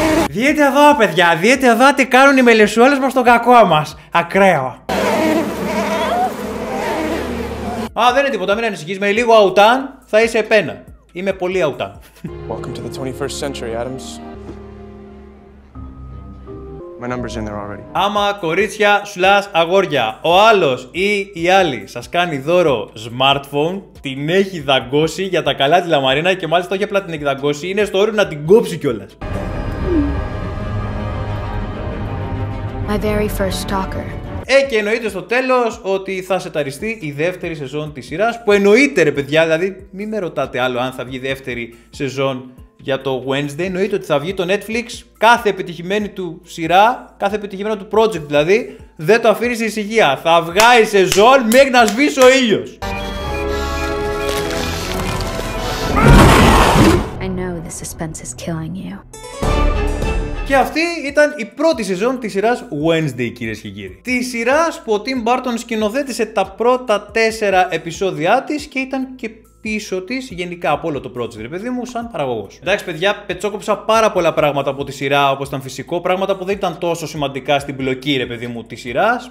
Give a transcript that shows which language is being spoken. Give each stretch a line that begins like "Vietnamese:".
Greek: Διέτε εδώ παιδιά, διέτε εδώ τι κάνουν οι μελισσούλες μας στον κακό μας, ακραίο. Α, δεν είναι τίποτα, μην ανησυχείς, με λίγο αουτάν θα είσαι πένα. Είμαι πολύ αουτάν.
English: Welcome to the 21st century, Adams. My number's in there already.
Greek: Άμα κορίτσια slash αγόρια, ο άλλος ή η άλλη σας κάνει δώρο smartphone, την έχει δαγκώσει για τα καλά τη λαμαρίνα και μάλιστα όχι απλά την έχει δαγκώσει, είναι στο όριο να την κόψει κιόλας.
English: My very first stalker.
Greek: Και εννοείται στο τέλος ότι θα σεταριστεί η δεύτερη σεζόν της σειράς, που εννοείται ρε παιδιά, δηλαδή μη με ρωτάτε άλλο αν θα βγει δεύτερη σεζόν για το Wednesday, εννοείται ότι θα βγει το Netflix, κάθε επιτυχημένη του σειρά, κάθε επιτυχημένο του project δηλαδή, δεν το αφήνει σε ησυχία, θα βγάει σεζόν μέχρι να σβήσει ο ήλιος.
English: I know the suspense is killing you.
Greek: Και αυτή ήταν η πρώτη σεζόν της σειράς Wednesday, κυρίες και κύριοι. Της σειράς που ο Tim Burton σκηνοθέτησε τα πρώτα 4 επεισόδια της και ήταν και πίσω της γενικά από όλο το project, ρε παιδί μου, σαν παραγωγός. Εντάξει παιδιά, πετσόκοψα πάρα πολλά πράγματα από τη σειρά όπως ήταν φυσικό, πράγματα που δεν ήταν τόσο σημαντικά στην πλοκή, ρε παιδί μου, της σειράς.